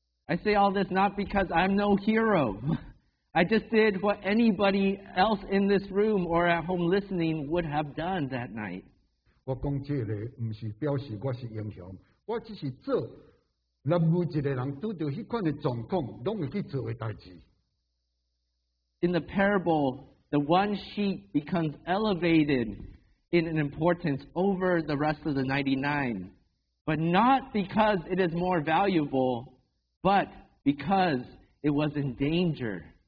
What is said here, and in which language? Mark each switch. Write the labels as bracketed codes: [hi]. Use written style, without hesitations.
[en] I say all this not because I'm no hero. I just did what anybody else in this room or at home listening would have done that night. [nan] 我讲这个不是表示我是英雄，我只是做任何一个人遇到迄款的状况，拢会去做的代志。 [en] In the parable, the one sheep becomes elevated in an importance over the rest of the 99, but not because it is more valuable, but because it was in danger.